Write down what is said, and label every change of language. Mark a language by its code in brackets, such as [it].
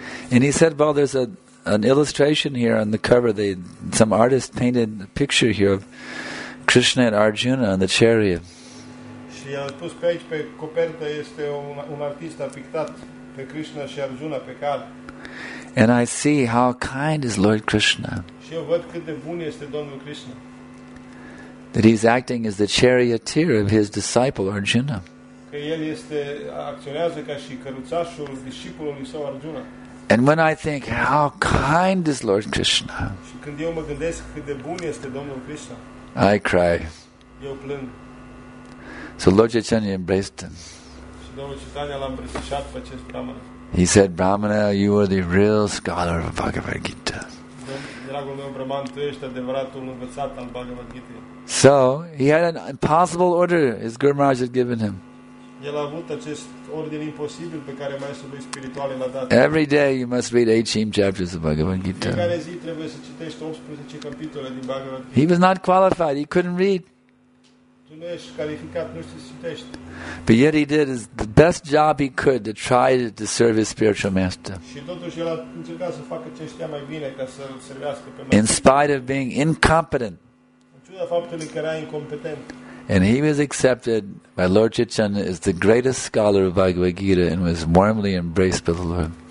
[en] And he said, well, there's an illustration here on the cover. Some artist painted a picture here of Krishna and Arjuna on the chariot. [ro] Și a spus pe aici, pe copertă, este un artist a pictat pe Krishna și Arjuna pe cal. [en] And I see how kind is Lord Krishna. [ro] Și eu văd cât de bun este Domnul Krishna. [en] That he's acting as the charioteer of his disciple Arjuna. [ro] Că el este, acționează ca și căruțașul discipolului său Arjuna. [en] And when I think, how kind is Lord Krishna? [ro] Și când eu mă gândesc cât de bun este Domnul Krishna, [en] I cry. [ro] Eu plâng. [en] So Lord Chaitanya embraced him. [ro] Și Domnul Chaitanya l-a îmbrățișat pe acest brahmana. [en] He said, Brahmana, you are the real scholar of Bhagavad Gita. [ro] Dragul meu, Brahman, tu ești adevăratul învățat al Bhagavad Gita. [en] So he had an impossible order his Guru Maharaj had given him. [ro] El a avut acest ordin imposibil pe care maestrul lui spiritual l-a dat. [en] Every day you must read 18 chapters of Bhagavad Gita. [ro] Fiecare zi trebuie să citești 18 capitole din Bhagavad Gita. [en] He was not qualified. He couldn't read. [ro] Tu nu ești calificat, nu știi să citești. [en] But yet he did the best job he could to try to serve his spiritual master. [ro] Și totuși el a încercat să facă ce știa mai bine ca să servească pe maestru. [en] In spite of being incompetent. [ro] În ciuda faptului că era incompetent. [en] And he was accepted by Lord Chaitanya as the greatest scholar of Bhagavad Gita and was warmly embraced by the Lord.